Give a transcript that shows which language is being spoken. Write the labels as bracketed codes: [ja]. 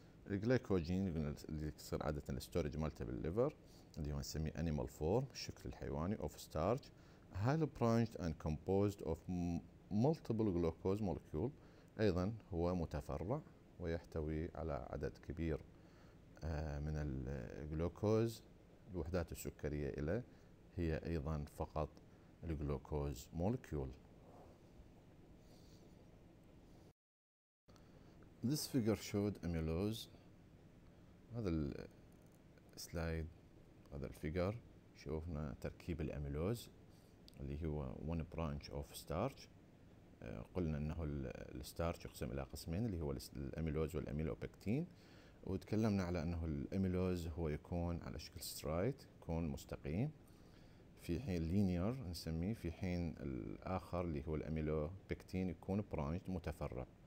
[ar] الجليكوجين اللي يصير عادة الستورج مالته بالليفر اللي هو نسميه [en] animal form [ar] الشكل الحيواني [en] of starch highly branched and composed of multiple glucose molecule، [ar] أيضا هو متفرع ويحتوي على عدد كبير من الجلوكوز الوحدات السكرية إلى هي أيضا فقط الجلوكوز مولكيول. [en] This figure showed amylose. [ar] هذا السلايد هذا الفيجر شوفنا تركيب الأميلوز اللي هو [en] one branch of starch. [ar] قلنا أنه الستارش يقسم إلى قسمين اللي هو الأميلوز والأميلوبكتين. وتكلمنا على انه الاميلوز هو يكون على شكل سترايت، يكون مستقيم في حين لينير نسميه، في حين الاخر اللي هو الاميلو بكتين يكون برانش متفرع.